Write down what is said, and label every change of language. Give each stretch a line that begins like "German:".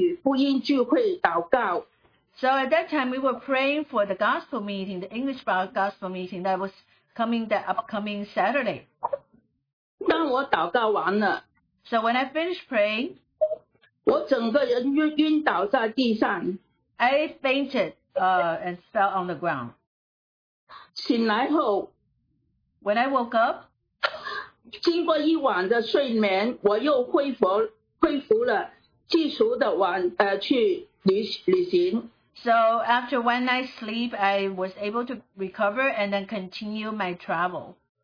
Chinese: 那次是为了那个礼拜六的英语福音聚会祷告。
English: So at that time, we were praying for the gospel meeting, the English gospel meeting that was coming the upcoming Saturday.
Chinese: 当我祷告完了。
English: So when I finished praying,
Chinese: 我整个人晕倒在地上。
English: I fainted and fell on the ground.
Chinese: 醒来后,
English: when I woke up,
Chinese: 经过一晚的睡眠, 我又恢复了去旅行。
English: So after one night's sleep, I was able to recover and then continue my travel.